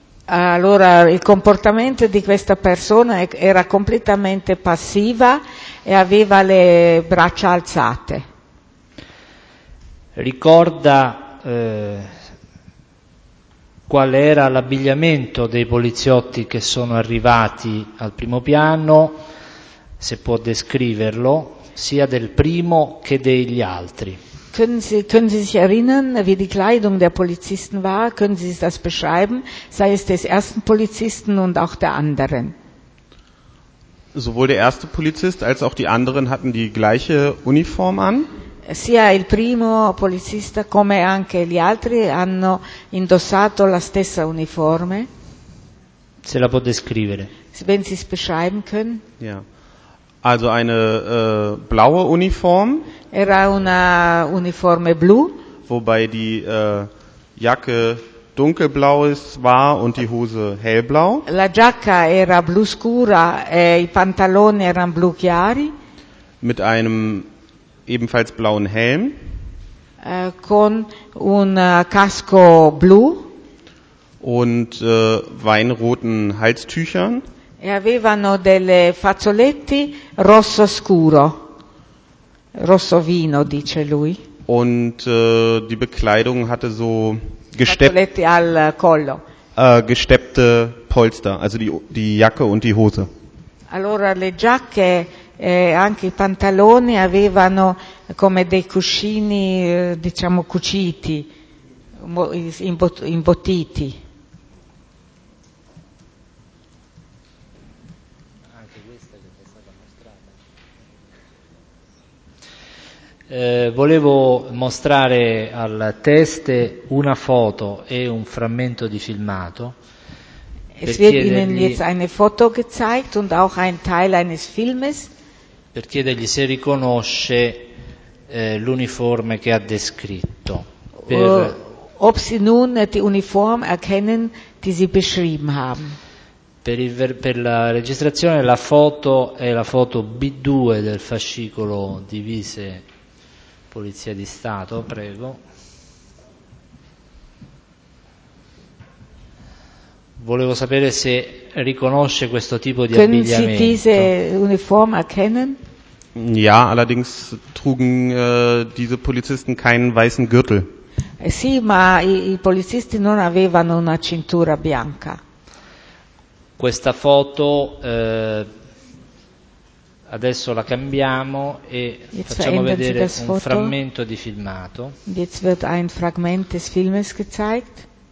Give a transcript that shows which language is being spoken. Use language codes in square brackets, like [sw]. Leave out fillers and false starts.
[it] Allora, il comportamento di questa persona era completamente passiva e aveva le braccia alzate. Ricorda qual era l'abbigliamento dei poliziotti che sono arrivati al primo piano, se può descriverlo, sia del primo che degli altri. [de] Können Sie sich erinnern, wie die Kleidung der Polizisten war? Können Sie das beschreiben? Sei es des ersten Polizisten und auch der anderen? Sowohl der erste Polizist als auch die anderen hatten die gleiche Uniform an. [it] Sia il primo polizista come anche gli altri hanno indossato la stessa uniforme. Se la può descrivere. [de] Wenn Sie es beschreiben können. Ja. Also eine blaue Uniform. [it] Era una uniforme blu. [de] Wobei die Jacke dunkelblau ist, war und die Hose hellblau. [it] La giacca era blu scura e i pantaloni erano blu chiari. [de] Mit einem ebenfalls blauen Helm. [it] Con un casco blu. [de] Und weinroten Halstüchern. [it] E avevano delle fazzoletti rosso scuro. Rosso vino, dice lui. [de] Und die Bekleidung hatte so [it] fazzoletti al collo. [de] Gesteppte Polster, also die Jacke und die Hose. [it] Allora le giacche e anche i pantaloni avevano come dei cuscini, diciamo, cuciti, imbottiti. Anche questa che è stata mostrata. Volevo mostrare al test una foto e un frammento di filmato. [de] Es wird Ihnen jetzt eine Foto gezeigt und auch ein Teil eines Filmes. [it] Per chiedergli se riconosce l'uniforme che ha descritto. [de] Ob sie nun die Uniform erkennen, die sie beschrieben haben. [it] Per la registrazione la foto è la foto B2 del fascicolo divise Polizia di Stato, prego. Volevo sapere se riconosce questo tipo di [de] können [it] abbigliamento. [de] Können Sie diese Uniform erkennen? Ja, allerdings trugen diese Polizisten keinen weißen Gürtel. [it] Sì, ma i polizisti non avevano una cintura bianca. Questa foto adesso la cambiamo e [de] jetzt [it] facciamo vedere un frammento di filmato. [de] Jetzt wird ein Fragment des Filmes gezeigt.